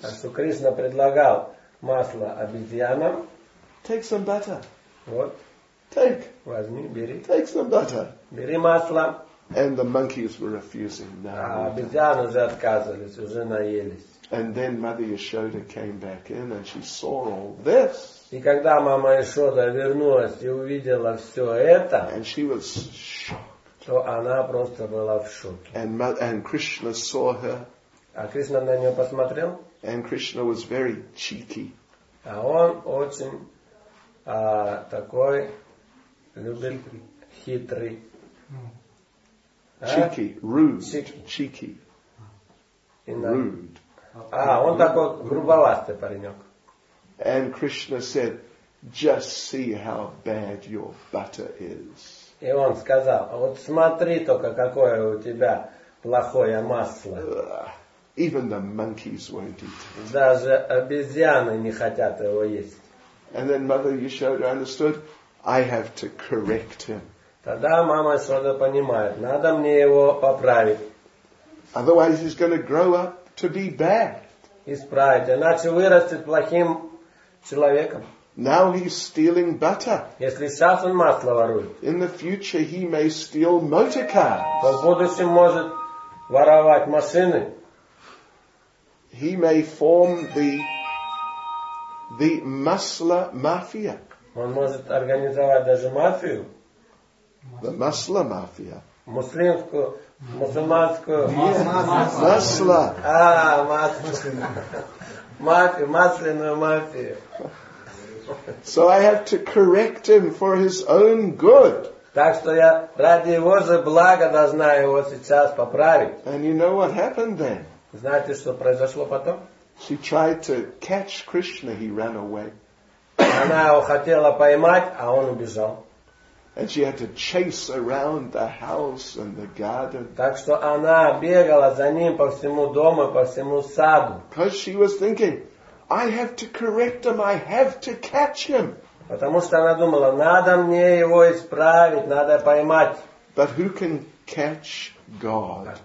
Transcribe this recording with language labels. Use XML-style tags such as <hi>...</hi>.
<ru>Так что Кришна предлагал масло обезьянам.</ru> <en>Take some butter.</en> <ru>Вот.</ru> <en>Take.</en> <ru>Возьми, бери.</ru> <en>Take some butter.</en> <ru>Бери масло.</ru> <en>And the monkeys were refusing. No,</en> <ru>обезьяны уже отказывались, уже наелись.</ru> <en>And then Mother Yashoda came back in and she saw all this.</en> <ru>И когда мама Ишода вернулась и увидела все это,</ru> <en>and she was shocked.</en> <ru>То она просто была в шоке.</ru> <en>And Krishna saw her.</en> <ru>А Кришна на нее посмотрел.</ru> <en>And Krishna was very cheeky.</en> <ru>А он очень такой любит хитрый.</ru> <en>Cheeky, rude. Cheeky. Rude.</en> <ru>А он такой грубоватый паренек.</ru> <en>And Krishna said, just see how bad your butter is.</en> <ru>И он сказал, вот смотри только, какое у тебя плохое масло.</ru> <en>Even the monkeys won't eat it.</en> <ru>Даже обезьяны не хотят его есть.</ru> <en>And then Mother Yashoda understood, I have to correct him.</en> <ru>Тогда мама Ясода понимает, надо мне его поправить.</ru> <en>Otherwise he's going to grow up to be bad.</en> <ru>Исправить, иначе вырастет плохим человеком.</ru> <en>Now he's stealing butter.</en> <ru>Если сейчас он масло ворует.</ru> <en>In the future he may steal motor cars.</en> <ru>В будущем может воровать машины.</ru> <en>He may form the masla mafia.</en> <ru>Он может организовать даже мафию.</ru> <en>The masla mafia.</en> <ru>Муслимскую, мусульманскую. Масла. А, масло. Мафию, масляную мафию.</ru> <en>So I have to correct him for his own good.</en> <ru>Так что я ради его же блага должна его сейчас поправить.</ru> <en>And you know what happened then?</en> <ru>Знаете, что произошло потом?</ru> <en>She tried to catch Krishna, he ran away.</en> <ru>Она его хотела поймать, а он убежал.</ru> <en>And she had to chase around the house and the garden.</en> <ru>Так что она бегала за ним по всему дому, по всему саду.</ru> <en>Because she was thinking, I have to correct him, I have to catch him.</en> <ru>Потому что она думала, надо мне его исправить, надо поймать.</ru> <en>But who can catch God?</en>